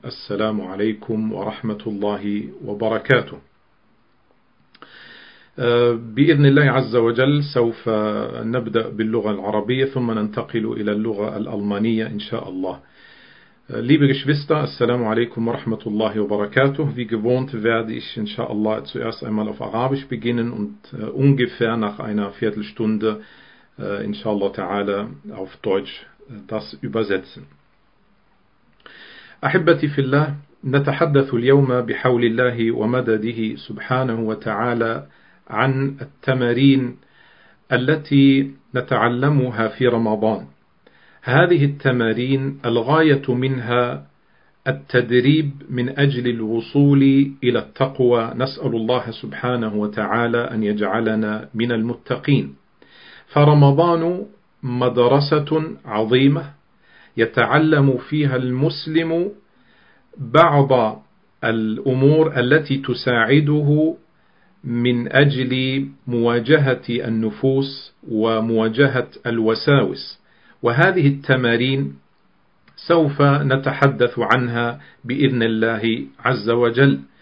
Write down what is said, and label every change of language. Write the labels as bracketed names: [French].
[Arabic] السلام عليكم ورحمة الله وبركاته. بإذن الله عز وجل سوف نبدأ باللغة العربية ثم ننتقل إلى اللغة الألمانية إن شاء الله. [German] Liebe Geschwister, Assalamu alaikum wa rahmatullahi wa barakatuh. Wie gewohnt werde ich in Sha Allah zuerst einmal auf Arabisch beginnen und ungefähr nach einer Viertelstunde in Sha Allah ta'ala auf Deutsch das übersetzen. [Arabic] Ahibati fillah, natahaddathu al-yawma bihawlillahi wa madadihi subhanahu wa ta'ala عن التمارين التي نتعلمها في رمضان. هذه التمارين الغاية منها التدريب من أجل الوصول إلى التقوى، نسأل الله سبحانه وتعالى أن يجعلنا من المتقين. فرمضان مدرسة عظيمة يتعلم فيها المسلم بعض الأمور التي تساعده من أجل مواجهة النفوس ومواجهة الوساوس، وهذه التمارين سوف نتحدث عنها بإذن الله عز وجل.